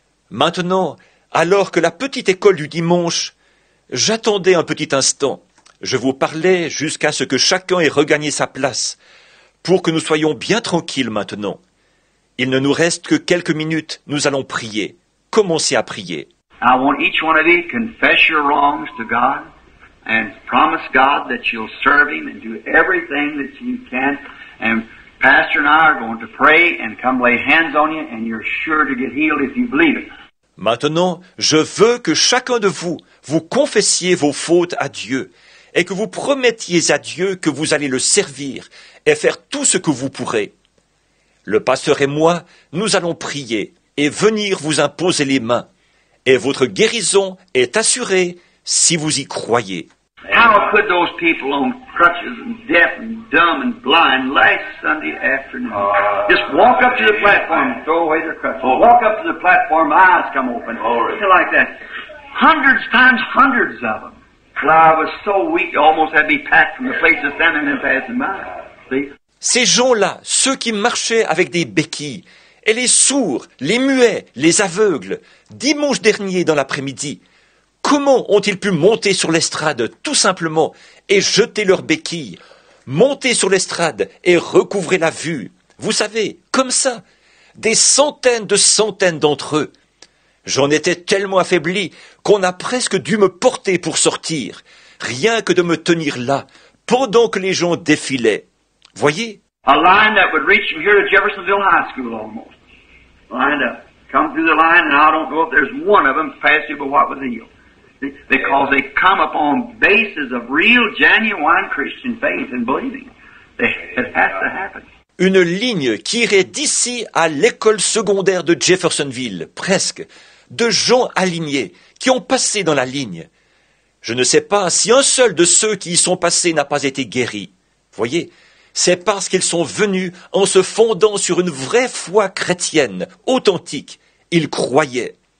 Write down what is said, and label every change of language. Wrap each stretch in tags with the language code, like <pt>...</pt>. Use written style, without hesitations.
<fr>Maintenant, alors que la petite école du dimanche, j'attendais un petit instant. Je vous parlais jusqu'à ce que chacun ait regagné sa place, pour que nous soyons bien tranquilles maintenant. Il ne nous reste que quelques minutes, nous allons prier. Commencez à prier.</fr> <en>I want each one of you to confess your wrongs to God and promise God that you'll serve Him and do everything that you can. And Pastor and I are going to pray and come lay hands on you and you're sure to get healed if you believe it.</en> <fr>Maintenant, je veux que chacun de vous, vous confessiez vos fautes à Dieu et que vous promettiez à Dieu que vous allez le servir et faire tout ce que vous pourrez. Le pasteur et moi, nous allons prier et venir vous imposer les mains. Et votre guérison est assurée si vous y croyez.</fr> <en>How could those people on crutches and deaf and dumb and blind last Sunday afternoon just walk up to the platform and throw away their crutches? Walk up to the platform, eyes come open. Something like that. Hundreds times hundreds of them. Well, I was so weak, almost had me packed from the place of standing and passing by. See?</en> <fr>Ces gens-là, ceux qui marchaient avec des béquilles, et les sourds, les muets, les aveugles, dimanche dernier dans l'après-midi, comment ont-ils pu monter sur l'estrade tout simplement et jeter leurs béquilles, monter sur l'estrade et recouvrer la vue? Vous savez, comme ça, des centaines de centaines d'entre eux. J'en étais tellement affaibli qu'on a presque dû me porter pour sortir, rien que de me tenir là, pendant que les gens défilaient. Voyez?</fr> <en>A line that would reach from here to Jeffersonville High School almost. Lined up. Come through the line and I don't know if there's one of them past you but what was healed. Because they come upon bases of real genuine Christian faith and believing. It has to happen.</en> <fr>Une ligne qui irait d'ici à l'école secondaire de Jeffersonville, presque, de gens alignés qui ont passé dans la ligne. Je ne sais pas si un seul de ceux qui y sont passés n'a pas été guéri. Voyez, c'est parce qu'ils sont venus en se fondant sur une vraie foi chrétienne, authentique. Ils croyaient.</fr>